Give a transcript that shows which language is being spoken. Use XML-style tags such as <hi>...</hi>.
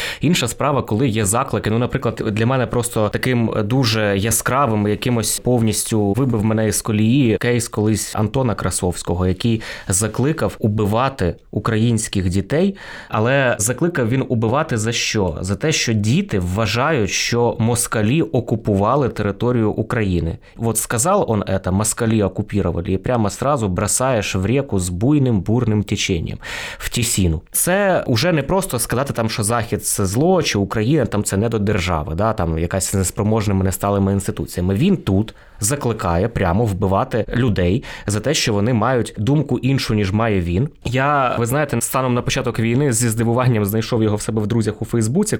<uk>Інша справа, коли є заклики. Ну, наприклад, для мене просто таким дуже яскравим, якимось повністю вибив мене із колії кейс колись Антона Красовського, який закликав убивати українських дітей, але закликав він убивати за що? За те, що діти вважають, що москалі – окупували територію України.</uk> <ru>Вот сказал он это, москали оккупировали, и прямо сразу бросаешь в реку с буйным бурным течением, в тесину.</ru> <uk>Це уже не просто сказати там, що Захід це зло, чи Україна там це не до держави, да, там якась неспроможними не сталими інституціями. Він тут закликає прямо вбивати людей за те, що вони мають думку іншу, ніж має він. Я, ви знаєте, станом на початок війни зі здивуванням знайшов його в себе в друзях у Фейсбуці.</uk>